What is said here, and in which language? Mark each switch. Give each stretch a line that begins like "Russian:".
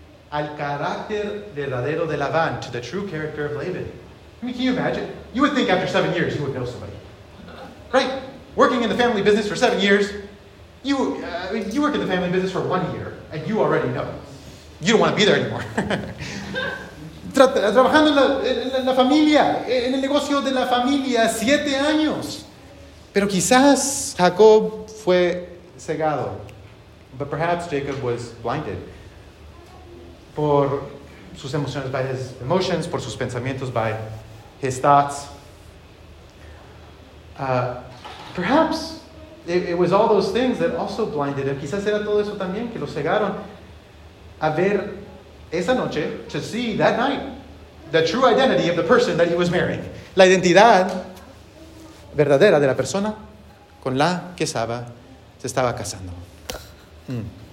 Spanish: al carácter verdadero de Laban,
English: to the true character of Laban. I mean, can you imagine? You would think after 7 years, you would know somebody. Right? Working in the family business for 7 years, you work in the family business for 1 year, and you already know. You don't want to be there anymore.
Spanish: Trabajando en la familia, en el negocio de la familia, 7 años. Pero quizás Jacob fue cegado.
English: But perhaps Jacob was blinded
Spanish: por sus emociones,
English: by his emotions,
Spanish: por sus pensamientos,
English: by his thoughts. Perhaps it was all those things that also blinded him.
Spanish: Quizás era todo eso también que lo cegaron a ver esa noche,
English: to see that night, the true identity of the person that he was marrying.
Spanish: La identidad verdadera de la persona con la que se estaba casando.